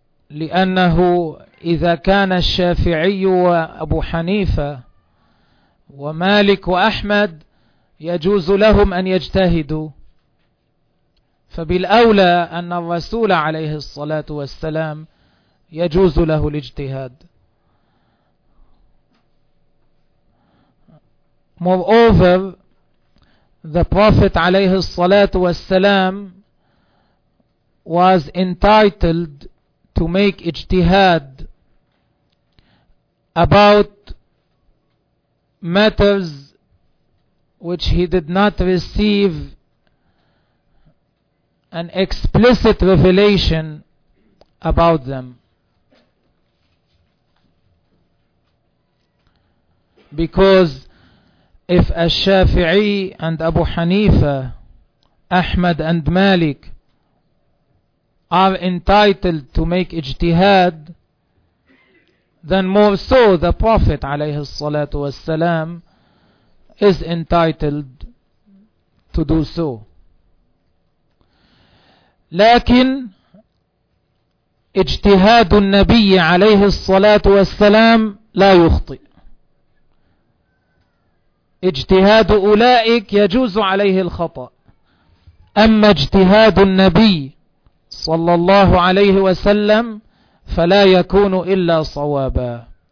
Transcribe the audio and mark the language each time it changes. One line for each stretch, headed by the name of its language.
Arabic: لأنه إذا كان الشافعي وأبو حنيفة ومالك وأحمد يجوز لهم أن يجتهدوا, فبالأولى أن الرسول عليه الصلاة والسلام يجوز له الاجتهاد.
English: Moreover, the Prophet عليه الصلاة والسلام was entitled to make اجتهاد about matters which he did not receive an explicit revelation about them, because if Ash-Shafi'i and Abu Hanifa, Ahmad and Malik are entitled to make ijtihad, then more so the Prophet عليه الصلاة والسلام is entitled to do so.
Arabic: لكن اجتهاد النبي عليه الصلاة والسلام لا يخطئ, اجتهاد أولئك يجوز عليه الخطأ, أما اجتهاد النبي صلى الله عليه وسلم فلا يكون إلا صوابا.